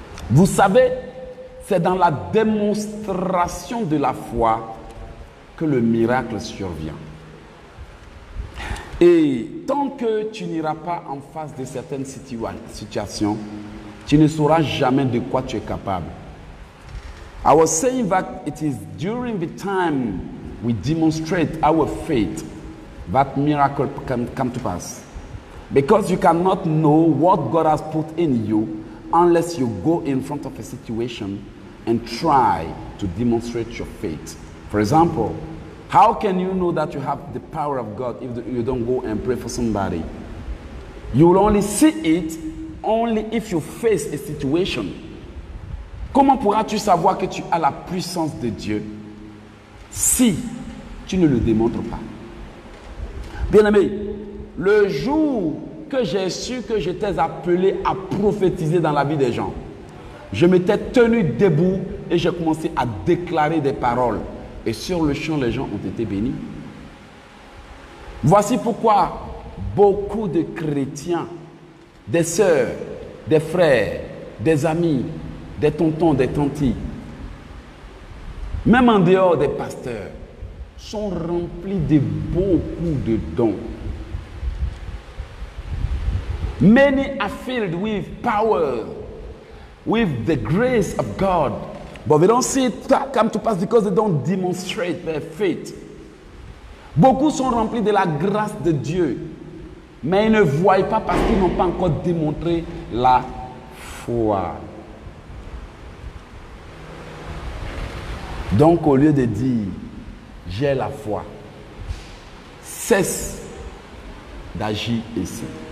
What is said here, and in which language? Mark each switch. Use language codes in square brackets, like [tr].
[fr] Vous savez, c'est dans la démonstration de la foi que le miracle survient. Et tant que tu n'iras pas en face de certaines situations, tu ne sauras jamais de quoi tu es capable. [en] I was saying that it is during the time we demonstrate our faith that miracle can come to pass. Because you cannot know what God has put in you unless you go in front of a situation and try to demonstrate your faith. For example, how can you know that you have the power of God if you don't go and pray for somebody? You will only see it only if you face a situation. [fr] Comment pourras-tu savoir que tu as la puissance de Dieu si tu ne le démontres pas? Bien-aimé, le jour que j'ai su que j'étais appelé à prophétiser dans la vie des gens, je m'étais tenu debout et j'ai commencé à déclarer des paroles. Et sur le champ, les gens ont été bénis. Voici pourquoi beaucoup de chrétiens, des sœurs, des frères, des amis, des tontons, des tantes, même en dehors des pasteurs, sont remplis de beaucoup de dons. [en] Many are filled with power, with the grace of God, but they don't see it come to pass because they don't demonstrate their faith. [fr] Beaucoup sont remplis de la grâce de Dieu, mais ils ne voient pas parce qu'ils n'ont pas encore démontré la foi. Donc, au lieu de dire « j'ai la foi », cesse d'agir ici.